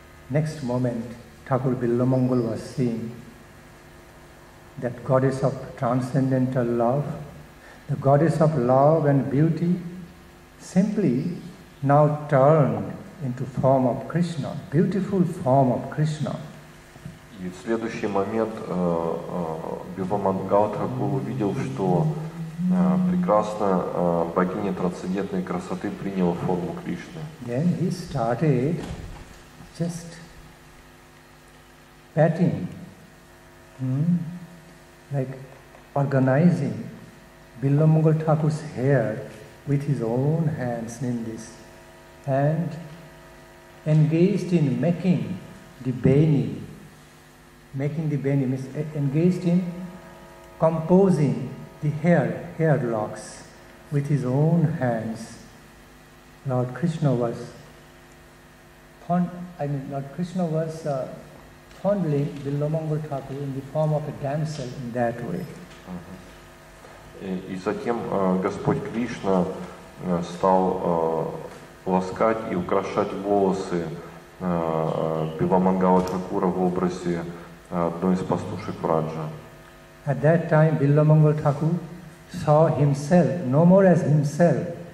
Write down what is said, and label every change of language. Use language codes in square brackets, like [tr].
[en] Next moment, Thakur Billamangal was seeing that goddess of transcendental love, the goddess of love and beauty, simply now turned into form of Krishna, beautiful form of Krishna. [ru] И в следующий момент Бхивамангал Тхакур увидел, что прекрасная богиня трансцендентной красоты приняла форму Кришны. [en] Then he started just patting, like organizing Billamangal Thakur's hair with his own hands in this, and engaged in making the beni. Making the beni means engaged in composing the hair locks with his own hands. Lord Krishna was fondling Billamangal Thakur in the form of a damsel in that way. [ru] И затем Господь Кришна стал ласкать и украшать волосы Билламангала Тхакура в образе одной из пастушек Враджа. [en] At that time Billamangal Thakur saw himself no more as himself.